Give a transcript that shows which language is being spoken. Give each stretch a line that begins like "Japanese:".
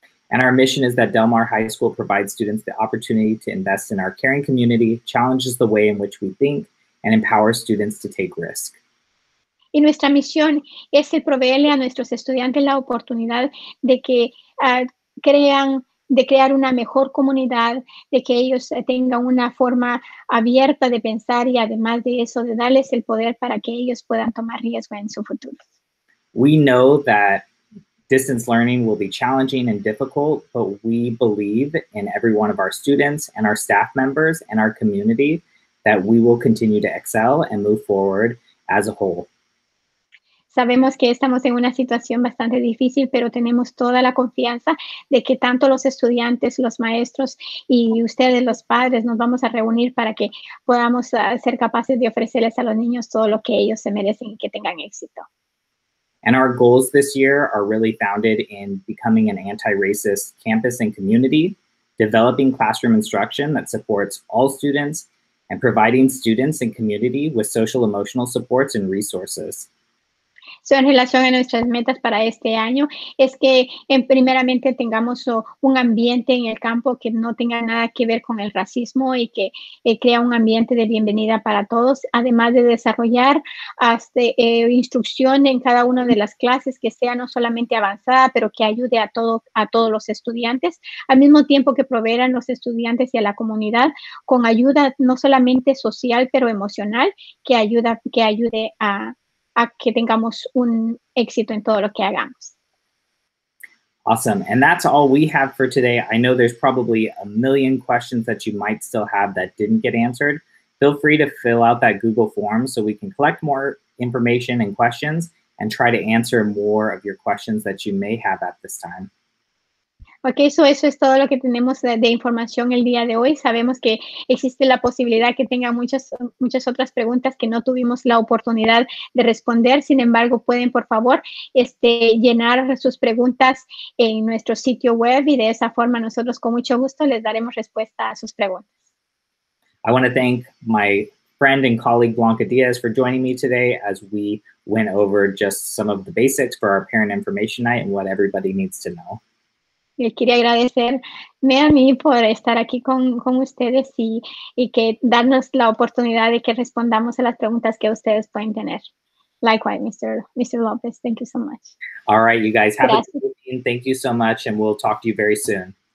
English: And our mission is that Del Mar High School provides students the opportunity to invest in our caring community, challenges the way in which we think, and empowers students to take risk.
Spanish: Y nuestra misión es el proveerle a nuestros estudiantes la oportunidad de que crean, de crear una mejor comunidad, de que ellos tengan una forma abierta de pensar y además de eso, de darles el poder para que ellos puedan tomar riesgo en su futuro.
English: We know that distance learning will be challenging and difficult, but we believe in every one of our students and our staff members and our community that we will continue to excel and move forward as a whole.
Spanish: Sabemos que estamos en una situación bastante difícil, pero tenemos toda la confianza de que tanto los estudiantes, los maestros y ustedes, los padres, nos vamos a reunir para que podamos ser capaces de ofrecerles a los niños todo lo que ellos se merecen y que tengan éxito.
English: And our goals this year are really founded in becoming an anti-racist campus and community, developing classroom instruction that supports all students, and providing students and community with social emotional supports and resources.
Spanish: So en relación a nuestras metas para este año es que primeramente tengamos un ambiente en el campo que no tenga nada que ver con el racismo y que crea un ambiente de bienvenida para todos, además de desarrollar instrucción en cada una de las clases que sea no solamente avanzada, pero que ayude a todos los estudiantes, al mismo tiempo que proveeran los estudiantes y a la comunidad con ayuda no solamente social, pero emocional, que ayude a que tengamos un éxito en todo lo que hagamos.
English: Awesome. And that's all we have for today. I know there's probably a million questions that you might still have that didn't get answered. Feel free to fill out that Google form so we can collect more information and questions and try to answer more of your questions that you may have at this time.
Spanish: Ok, so eso es todo lo que tenemos de información el día de hoy. Sabemos que existe la posibilidad que tenga muchas otras preguntas que no tuvimos la oportunidad de responder. Sin embargo, pueden, por favor, llenar sus preguntas en nuestro sitio web y de esa forma nosotros con mucho gusto les daremos respuesta a sus preguntas.
English: I want to thank my friend and colleague Blanca Diaz for joining me today as we went over just some of the basics for our parent information night and what everybody needs to know.
Spanish: Les quería agradecerme a mí por estar aquí con ustedes y que darnos la oportunidad de que respondamos a las preguntas que ustedes pueden tener.
English: Likewise, Mr. Lopez, thank you so much. All right, you guys have Gracias. A good evening. Thank you so much, and we'll talk to you very soon.